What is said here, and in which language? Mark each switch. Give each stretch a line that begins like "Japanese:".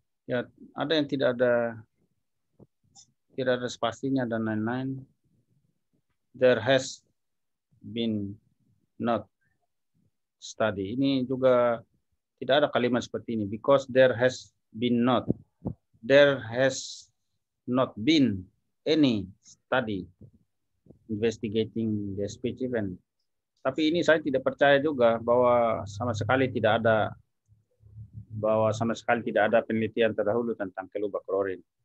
Indonesian: Ya, ada yang tidak ada spasinya dan lain-lain.
English: There has been not study.
Indonesian: Ini juga tidak ada kalimat seperti ini
English: because there has been not. There has not been any study investigating the speech event.
Indonesian: Tapi ini saya tidak percaya juga bahwa sama sekali tidak ada penelitian terdahulu tentang Keluba Kerorin.